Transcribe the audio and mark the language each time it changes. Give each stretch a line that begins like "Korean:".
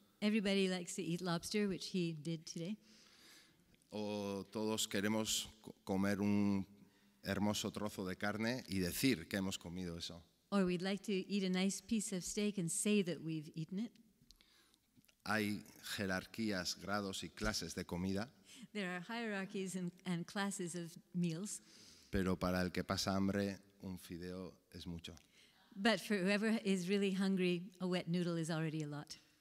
English: Everybody likes to eat lobster, which he did today.
Spanish: O todos queremos comer un hermoso trozo de carne y decir que hemos comido eso.
English: Or we'd like to eat a nice piece of steak and say that we've eaten it.
Spanish: Hay jerarquías, grados y clases de comida.
English: There are hierarchies and classes of meals.
Spanish: Pero para el que pasa hambre, un fideo es mucho.
English: But for whoever is really hungry, a wet noodle is already a lot.